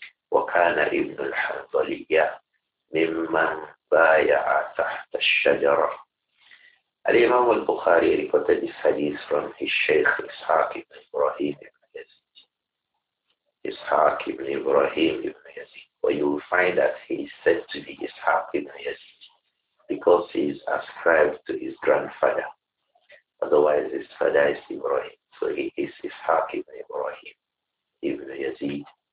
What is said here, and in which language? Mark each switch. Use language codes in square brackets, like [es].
[ar] وكان ابن الحنظلية ممن بايع تحت الشجرة. [en] الإمام البخاري reported this hadith from his Sheikh Ishaq بن إبراهيم بن يزيد. [ar] إسحاق بن إبراهيم بن يزيد. [en] Where you will find that he is said to be Ishaq بن Yazid because he is ascribed to his grandfather. Otherwise his father is Ibrahim. So he is Ishaq بن Ibrahim بن Yazid.